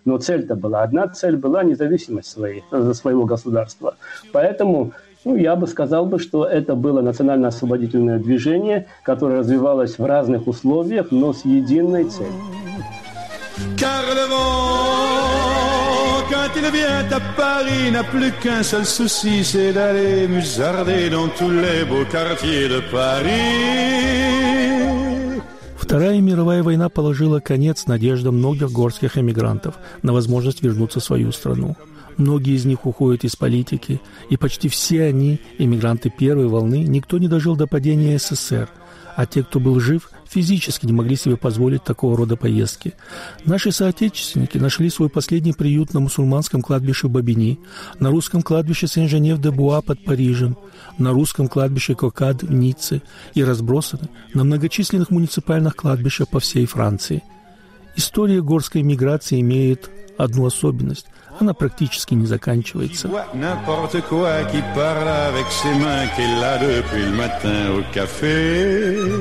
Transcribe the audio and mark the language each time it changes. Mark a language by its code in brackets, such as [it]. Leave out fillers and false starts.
[ru] Но цель-то была одна. Цель была независимость своего государства. Поэтому, ну, я бы сказал, что это было национально-освободительное движение, которое развивалось в разных условиях, но с единой целью. [fr] Quand il vient à Paris, n'a plus qu'un seul souci, c'est d'aller musarder dans tous les beaux quartiers de Paris. [ru] Вторая мировая война положила конец надеждам многих горских эмигрантов на возможность вернуться в свою страну. Многие из них уходят из политики, и почти все они, эмигранты первой волны, никто не дожил до падения СССР, а те, кто был жив, физически не могли себе позволить такого рода поездки. Наши соотечественники нашли свой последний приют на мусульманском кладбище в Бобини, на русском кладбище Сен-Женев-де-Буа под Парижем, на русском кладбище Кокад в Ницце и разбросаны на многочисленных муниципальных кладбищах по всей Франции. История горской миграции имеет одну особенность. Она практически не заканчивается. [fr] N'importe quoi qui parle avec ses mains qu'il a depuis le matin au café.